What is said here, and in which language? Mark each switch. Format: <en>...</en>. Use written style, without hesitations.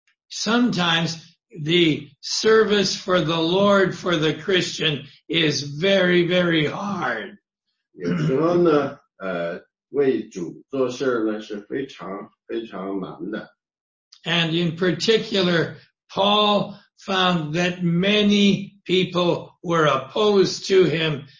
<en>Sometimes the service for the Lord, for the Christian, is very, very hard.</en> <zh>有时候呢，为主做事呢，是非常非常难的。</zh> <en>And in particular, Paul found that many people were opposed to him.</en>